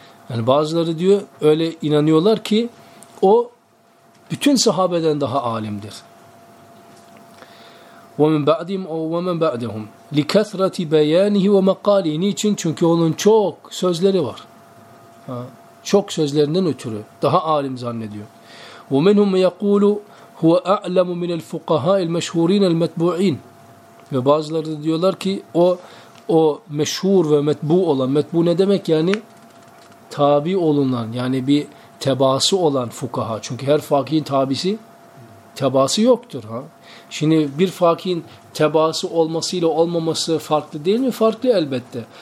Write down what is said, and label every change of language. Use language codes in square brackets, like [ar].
[tr] Yani bazıları diyor öyle inanıyorlar ki o bütün sahabeden daha alimdir. [ar] وَمَنْ بَعْدِهِمْ وَمَنْ بَعْدِهُمْ لِكَثْرَةِ بَيَانِهِ وَمَقَالِهِ. [tr] Niçin? Çünkü onun çok sözleri var. Çok sözlerinden ötürü daha alim zannediyor. [ar] وَمِنْهُمْ يَقُولُ هو اعلم من الفقهاء المشهورين المتبوعين. [tr] Ve bazıları diyorlar ki o meşhur ve metbu olan, metbu ne demek, yani tabi olunan, yani bir tebaası olan fukaha. Çünkü her fakihin tabisi, tebaası yoktur ha. Şimdi bir fakihin tebaası olmasıyla olmaması farklı değil mi? Farklı elbette.